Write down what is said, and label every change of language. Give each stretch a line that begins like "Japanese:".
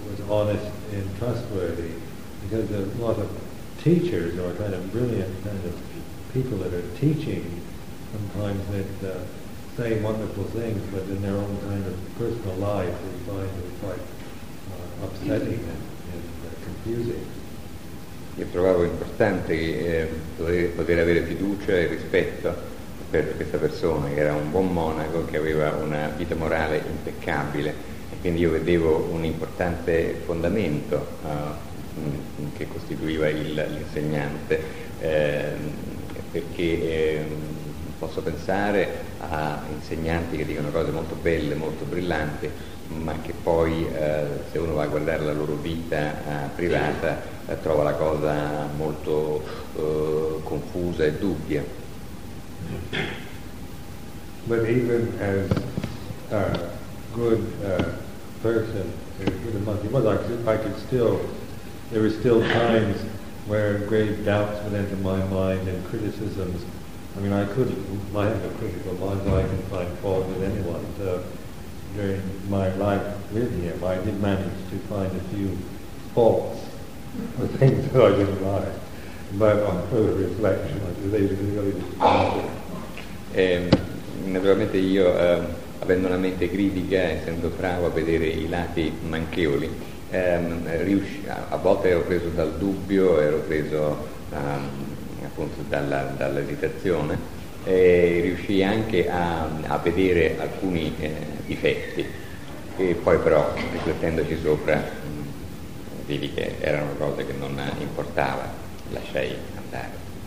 English: honest and trustworthy, because a lot of teachers or kind of brilliant kind of people that are teaching sometimes that say wonderful things, but in their own kind of personal life they find it quite upsetting and confusing.
Italian: Io trovavo importante poter avere fiducia e rispetto per questa persona, che era un buon monaco, che aveva una vita morale impeccabile, e quindi io vedevo un importante fondamento che costituiva l'insegnante, perché posso pensare a insegnanti che dicono cose molto belle, molto brillanti, ma che poi se uno va a guardare la loro vita privata trova la cosa molto confusa e dubbia.
English: But even as a good person, there were still times where grave doubts would enter my mind and criticisms. I mean, I have a critical mind, but I can find fault with anyone. So during my life with him, I did manage to find a few faults or things that I didn't like. But on further reflection, I think they didn't really disappoint me.
Italian: Naturalmente io, avendo una mente critica, essendo bravo a vedere i lati manchevoli, a volte ero preso dal dubbio, ero preso appunto dall'esitazione, e riuscii anche a vedere alcuni difetti, e poi però, riflettendoci sopra, vidi che erano cose che non importava, lasciai andare.